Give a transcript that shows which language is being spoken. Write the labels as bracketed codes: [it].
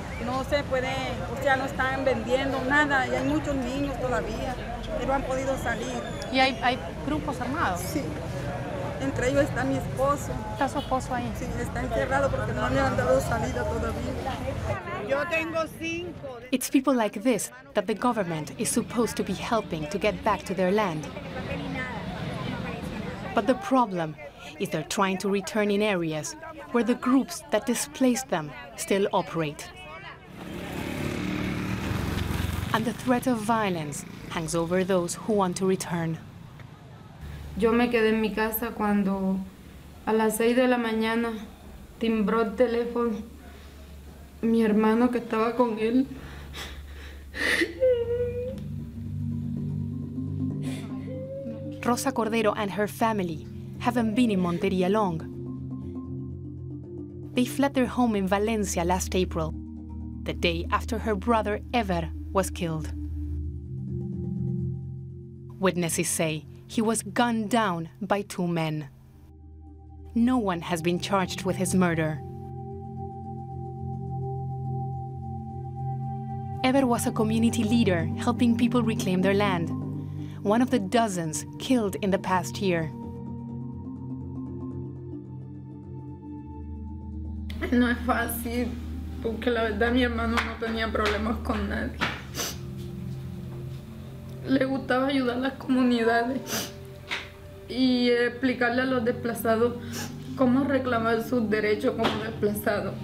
[es] No se puede, o sea, no están vendiendo nada, y hay muchos niños todavía, pero han podido salir. ¿Y hay grupos armados? Sí, entre ellos está mi esposo. ¿Está su esposo ahí? Sí, está encerrado porque no le han dado salida todavía. Yo tengo cinco. [en] It's people like this that the government is supposed to be helping to get back to their land. But the problem is they're trying to return in areas where the groups that displaced them still operate. And the threat of violence hangs over those who want to return. [es] Yo me quedé en mi casa cuando a las 6 de la mañana timbró el teléfono. Mi hermano que estaba con él. [en] Rosa Cordero and her family haven't been in Montería long. They fled their home in Valencia last April, the day after her brother Ever was killed. Witnesses say he was gunned down by two men. No one has been charged with his murder. Ever was a community leader helping people reclaim their land, one of the dozens killed in the past year. [es] No es fácil, porque la verdad mi hermano no tenía problemas con nadie. Le gustaba ayudar a las comunidades y explicarle a los desplazados cómo reclamar sus derechos como desplazados.